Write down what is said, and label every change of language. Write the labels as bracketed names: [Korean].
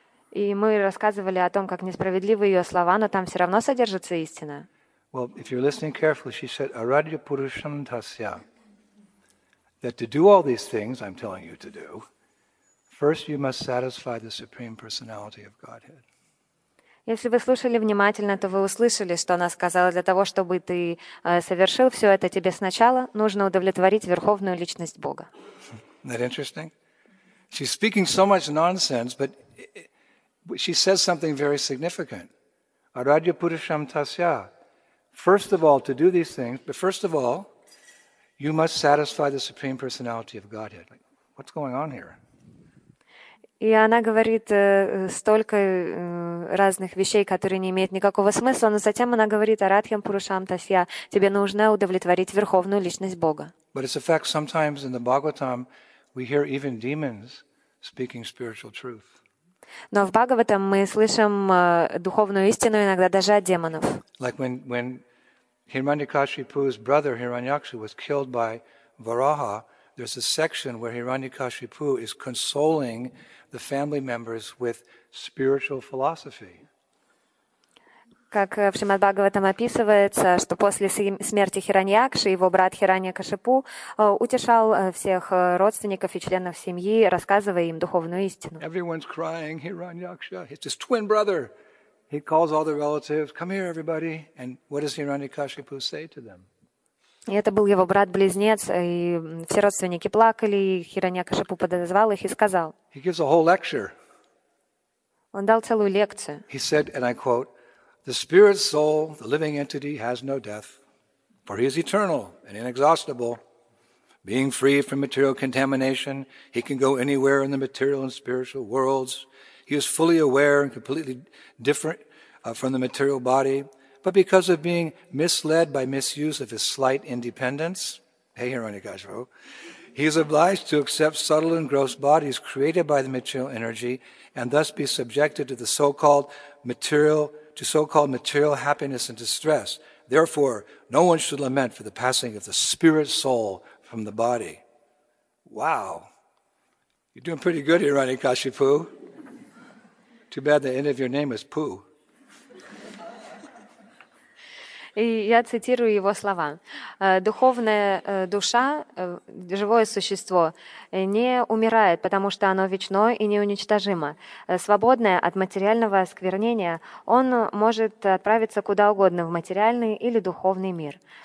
[Russian] И мы рассказывали о том, как несправедливы ее слова, но там все равно содержится истина. [English] Well, if you're listening carefully, she said, [Sanskrit] Arajya Purusham Tasya, [English] that to do all these things I'm telling you to do, first you must satisfy the Supreme Personality of Godhead. [Russian] Если вы слушали внимательно, то вы услышали, что она сказала: для того, чтобы ты совершил все это, тебе сначала нужно удовлетворить Верховную Личность Бога. [English] Isn't that interesting? She's speaking so much nonsense, but she says something very significant. [Sanskrit] Arajya Purusham Tasya. [English] First of all, to do these things, but first of all, you must satisfy the Supreme Personality of Godhead. Like, what's going on here? [Russian] И она говорит столько разных вещей, которые не имеют никакого смысла, но затем она говорит: [Sanskrit] «Арадхьям Пурушам Тасья, [Russian] тебе нужно удовлетворить Верховную Личность Бога». [English] But it's a fact, sometimes in the Bhagavatam we hear even demons speaking spiritual truth. [Russian] Но в Бхагаватам мы слышим духовную истину иногда даже от демонов. [English] Like when Hiranyakashipu's brother Hiranyakshu was killed by Varaha, there's a section where Hiranyakashipu is consoling the family members with spiritual philosophy. [Russian] Как в Шримад-Бхагаватам описывается, что после смерти Хираньякши его брат Хираньякашипу утешал всех родственников и членов семьи, рассказывая им духовную истину. [English] Everyone's crying, Hiranyaksha, it's his twin brother. He calls all the relatives, come here, everybody. And what does Hiranyakashipu say to them? [Russian] И это был его брат-близнец, и все родственники плакали, и Хираньякашипу подозвал их и сказал. [English] He gives a whole lecture. [Russian] Он дал целую лекцию. [English] He said, and I quote, the spirit soul, the living entity, has no death, for he is eternal and inexhaustible. Being free from material contamination, he can go anywhere in the material and spiritual worlds. He is fully aware and completely different from the material body. But because of being misled by misuse of his slight independence, hey, Hiranyakashipu, he is obliged to accept subtle and gross bodies created by the material energy and thus be subjected to the so-called material to so-called material happiness and distress. Therefore, no one should lament for the passing of the spirit soul from the body. Wow. You're doing pretty good, Hiranyakashipu. Too bad the end of your name is Poo. [Russian] И я цитирую его слова. Духовная душа, живое существо, не умирает, потому что оно вечно и неуничтожимо. Свободное от материального осквернения, он может отправиться куда угодно, в материальный или духовный мир.